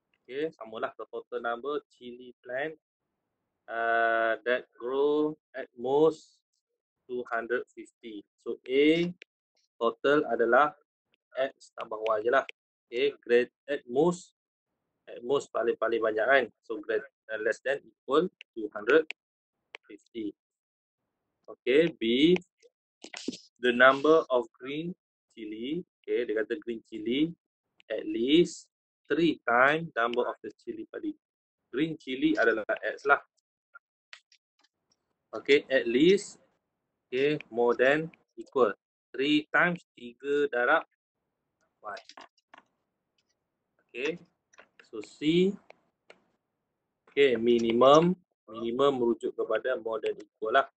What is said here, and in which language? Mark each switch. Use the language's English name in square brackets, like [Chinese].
[English] Okay, [Malay] samalah [English] the total number chili plant that grow at most 250. [Malay] So, A total adalah X tambah Y je lah. [English] Okay, grade at most. At most [Malay] paling-paling banyak kan. [English] So, grade less than equal 250. Okay, B, the number of green chili. Okay, [Malay] dia kata [English] green chili at least 3 times number of the chili padi. [Malay] Green chili adalah X lah. [English] Okay, at least, okay, more than equal 3 times 3 darab Y. Okay, so C. Okay, minimum [Malay] merujuk kepada [English] more than equal lah.